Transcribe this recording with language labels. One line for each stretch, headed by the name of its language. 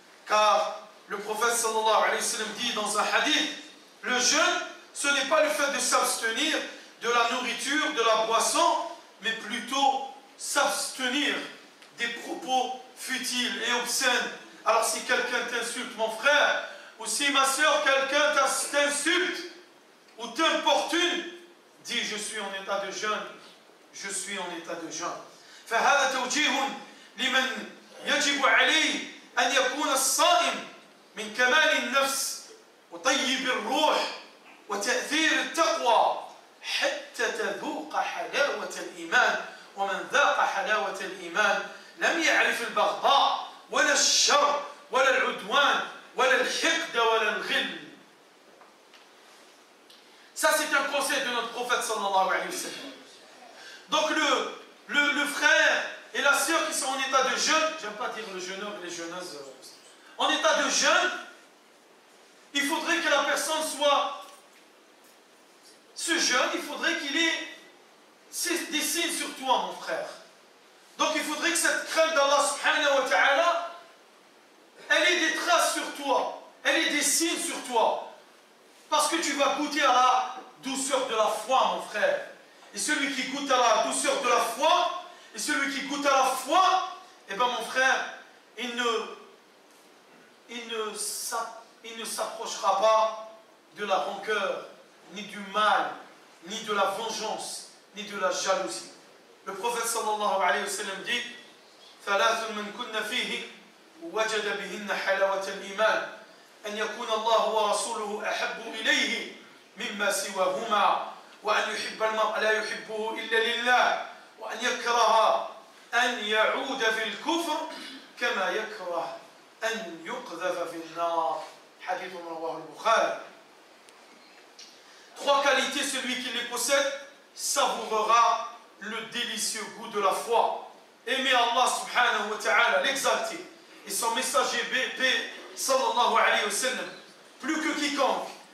French: Car le prophète sallallahu alayhi wa sallam dit dans un hadith, le jeûne, ce n'est pas le fait de s'abstenir de la nourriture, de la boisson, mais plutôt s'abstenir des propos futiles et obscènes. Alors si quelqu'un t'insulte, mon frère, ou si ma soeur, quelqu'un t'insulte ou t'importune, dis je suis en état de jeûne, je suis en état de jeûne.
Arabic: فهذا توجيه لمن يجب عليه أن يكون الصائم من كمال النفس وطيب الروح وتأثير التقوى حتى تذوق حلاوة الإيمان ومن ذاق حلاوة الإيمان لم يعرف البغضاء ولا الشر ولا العدوان ولا الحقد ولا الغل.
French: Ça c'est un conseil de notre prophète sallallahu alayhi wa sallam. Donc le frère et la sœur qui sont en état de jeûne, j'aime pas dire le jeûneur et les jeûneuses, en état de jeûne, il faudrait que la personne soit, ce jeûne, il faudrait qu'il ait des signes sur toi, mon frère. Donc il faudrait que cette crainte d'Allah subhanahu wa ta'ala, elle ait des traces sur toi, elle ait des signes sur toi. Parce que tu vas goûter à la douceur de la foi, mon frère. Et celui qui goûte à la douceur de la foi, et celui qui goûte à la foi, eh bien mon frère, il ne s'approchera pas de la rancœur, ni du mal, ni de la vengeance, ni de la jalousie. Le prophète sallallahu alayhi wa sallam dit,
Arabic: ثَلَاثٌ مَنْ كُنَّ فِيهِ وَجَدَ بِهِنَّ حَلَوَةَ الْإِيمَانِ أَنْ يَكُونَ اللَّهُ وَرَسُولُهُ أَحَبُّ إِلَيْهِ مِمَّا سِوَهُمَا وأن يحب المرء لا يحبه إلا لله وأن يكره أن يعود في الكفر كما يكره أن يقذف في النار. حديث رواه البخاري.
French: Trois qualités, celui qui les possède savourera le délicieux goût de la foi. Aimer Allah subhanahu wa ta'ala, l'exalter, et son messager sallallahu alayhi wa sallam, plus que quiconque.